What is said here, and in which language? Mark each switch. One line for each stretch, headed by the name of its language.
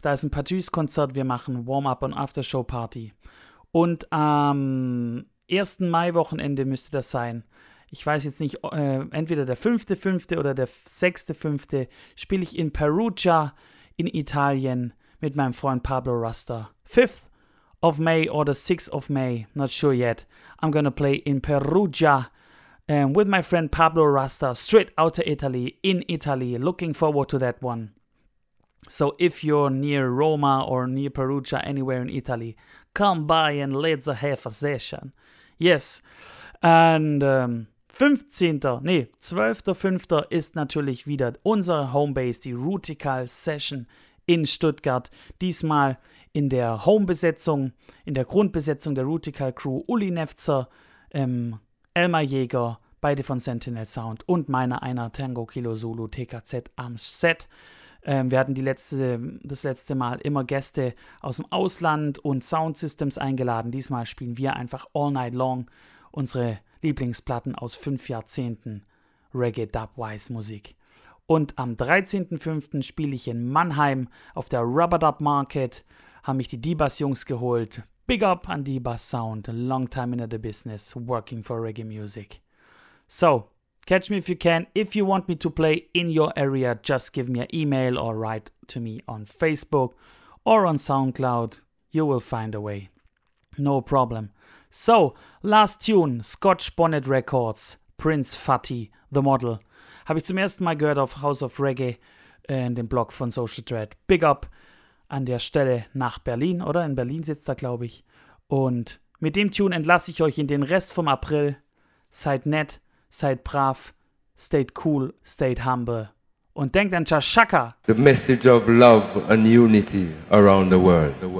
German: Da ist ein Patrice-Konzert, wir machen Warm-up und After-Show-Party. Und am 1. Mai-Wochenende müsste das sein. Ich weiß jetzt nicht, entweder der 5.5. oder der 6.5. spiele ich in Perugia in Italien mit meinem Freund Pablo Rasta.
English: 5th of May or the 6th of May, not sure yet. I'm gonna play in Perugia with my friend Pablo Rasta, straight out of Italy, in Italy. Looking forward to that one. So if you're near Roma or near Perugia, anywhere in Italy, come by and let's have a session. Yes. And 12.05.
German: ist natürlich wieder unsere Homebase, die Rootikal Session in Stuttgart. Diesmal in der Homebesetzung, in der Grundbesetzung der Rootikal Crew, Uli Nefzer, Elmar Jäger, beide von Sentinel Sound und meiner einer Tango Kilo Solo TKZ am Set. Wir hatten das letzte Mal immer Gäste aus dem Ausland und Soundsystems eingeladen. Diesmal spielen wir einfach all night long unsere Lieblingsplatten aus 5 Jahrzehnten Reggae-Dub-Wise-Musik. Und am 13.05. spiele ich in Mannheim auf der Rubber-Dub-Market, haben mich die D-Bass-Jungs geholt.
English: Big up an D-Bass-Sound, long time in the business, working for Reggae-Music. So, catch me if you can. If you want me to play in your area, just give me an email or write to me on Facebook or on SoundCloud. You will find a way. No problem. So, last tune, Scotch Bonnet Records, Prince Fatty, The Model.
German: Habe ich zum ersten Mal gehört auf House of Reggae in dem Blog von Social Thread. Big up an der Stelle nach Berlin, oder? In Berlin sitzt er, glaube ich. Und mit dem Tune entlasse ich euch in den Rest vom April. Seid nett, seid brav,
English: stayed cool, stayed humble.
German: Und denkt an Chashaka.
English: The message of love and unity around the world.